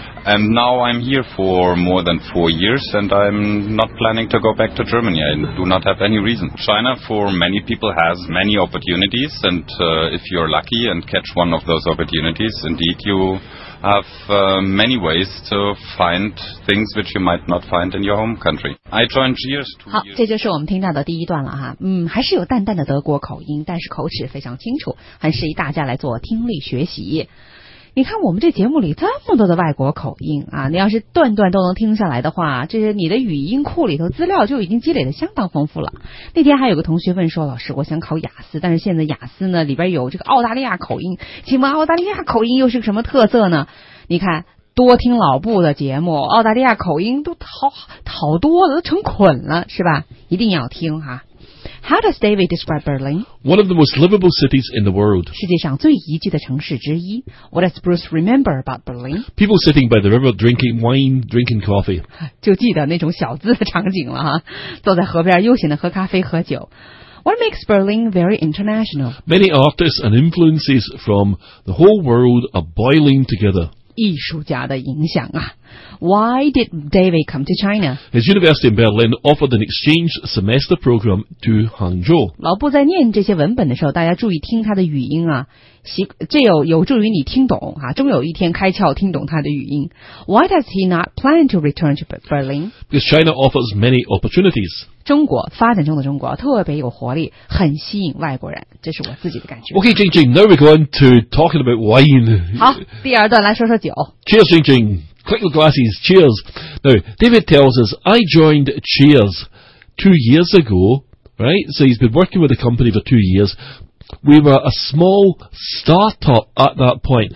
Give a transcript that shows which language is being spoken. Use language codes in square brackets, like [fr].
[en] And now I'm here for more than 4 years, and I'm not planning to go back to Germany. I do not have any reason. China, for many people, has many opportunities. And if you're lucky and catch one of those opportunities,Indeed, you have many ways to find things which you might not find in your home country. I joined GS2. [zh] 好，这就是我们听到的第一段了哈。嗯，还是有淡淡的德国口音，但是口齿非常清楚，很适宜大家来做听力学习。你看我们这节目里这么多的外国口音啊，你要是段段都能听下来的话，这是你的语音库里头资料就已经积累的相当丰富了。那天还有个同学问说，老师我想考雅思，但是现在雅思呢里边有这个澳大利亚口音，请问澳大利亚口音又是个什么特色呢？你看多听老布的节目，澳大利亚口音都好多了，都成捆了，是吧？一定要听哈。 [en] How does David describe Berlin? One of the most livable cities in the world. [zh] 世界上最宜居的城市之一。 [en] What does Bruce remember about Berlin? People sitting by the river drinking wine, drinking coffee. [zh] 就记得那种小资的场景了哈，坐在河边悠闲的喝咖啡喝酒。 [en] What makes Berlin very international? Many artists and influences from the whole world are boiling together. [zh] 艺术家的影响啊。 [en] Why did David come to China? His university in Berlin offered an exchange semester program to Hangzhou. [zh] 老布在念这些文本的时候，大家注意听他的语音啊，这有助于你听懂啊，终有一天开窍听懂他的语音。 [en] Why does he not plan to return to Berlin? Because China offers many opportunities. [zh] 中国，发展中的中国，特别有活力，很吸引外国人，这是我自己的感觉。 [en] Okay, Jing Jing, now we're going to talking about wine. [zh] 好，第二段来说说酒。 [en] Cheers, Jing Jing. Click your glasses. Cheers. Now, David tells us, I joined Cheers 2 years ago, right? So he's been working with the company for 2 years. We were a small startup at that point.